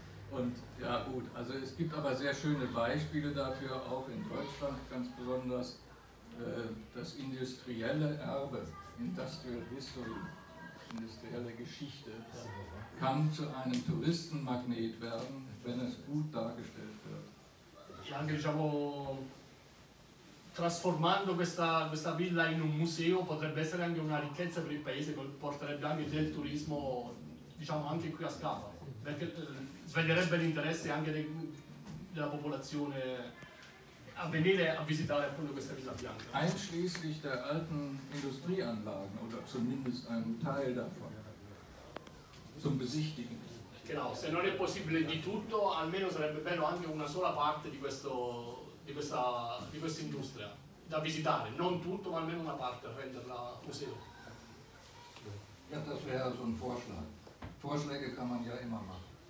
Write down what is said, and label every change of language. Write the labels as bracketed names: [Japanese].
[German] Und ja gut, also es gibt aber sehr schöne Beispiele dafür, auch in Deutschland ganz besonders, das industrielle Erbe, Industrial History, industrielle Geschichte, kann zu einem Touristenmagnet werden, wenn es gut dargestellt wird. [Italian] Trasformando questa villa in un museo potrebbe essere anche una ricchezza per il paese, porterebbe anche del turismo, diciamo, anche qui a Scafa, perché sveglierebbe l'interesse anche della popolazione a venire a visitare appunto questa villa bianca. [German] Einschließlich der alten Industrieanlagen oder zumindest einen Teil davon zum Besichtigen. [Italian] che no, se non è possibile di tutto, almeno sarebbe bello anche una sola parte di questo, di questa industria da visitare, non tutto, ma almeno una parte, renderla museo. [German] Ja, das wäre so ein Vorschlag. Vorschläge kann man ja immer machen.